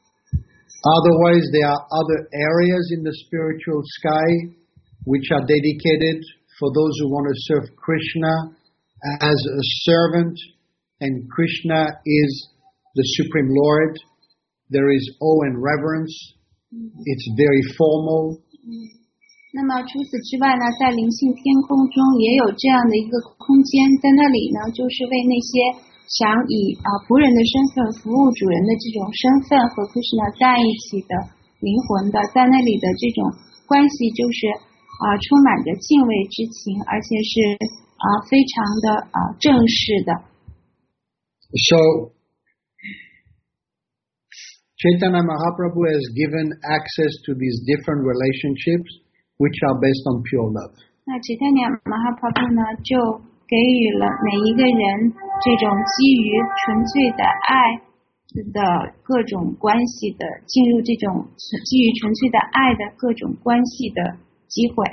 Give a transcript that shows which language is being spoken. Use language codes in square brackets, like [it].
[en] Otherwise, there are other areas in the spiritual sky which are dedicated for those who want to serve Krishna as a servant, and Krishna is the Supreme Lord, there is awe and reverence. It's very formal. [zh] 那么除此之外呢，在灵性天空中也有这样的一个空间，在那里呢，就是为那些想以仆人的身份服务主人的这种身份和 Krishna 在一起的灵魂的，在那里的这种关系就是充满着敬畏之情，而且是非常的正式的。 [en] So, Chaitanya Mahaprabhu has given access to these different relationships. Which are based on pure love. [zh] 那其他年马哈帕布呢，就给予了每一个人这种基于纯粹的爱的各种关系的进入这种基于纯粹的爱的各种关系的机会。